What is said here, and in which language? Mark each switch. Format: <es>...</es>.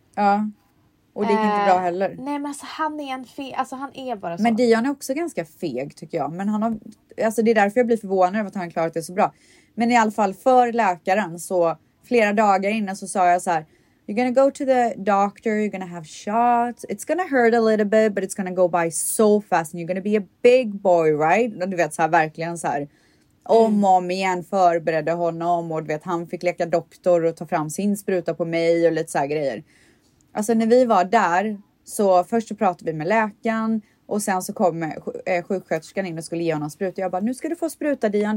<sv>Ja, och det gick inte bra heller. Nej men alltså han är han är bara så. Men Dian är också ganska feg tycker jag. Men han har, alltså det är därför jag blir förvånad över att han klarat det så bra. Men i alla fall för läkaren så flera dagar innan så sa jag så här:</sv> <en>you're gonna go to the doctor, you're gonna have shots. It's gonna hurt a little bit but it's gonna go by so fast and you're gonna be a big boy, right?</en> <sv>Och du vet så här verkligen så här om igen förberedde honom och du vet han fick leka doktor och ta fram sin spruta på mig och lite så här grejer. Alltså när vi var där så först så pratade vi med läkaren. Och sen så kom sjuksköterskan in och skulle ge honom spruta. Jag bara, nu ska du få spruta Dian.</sv>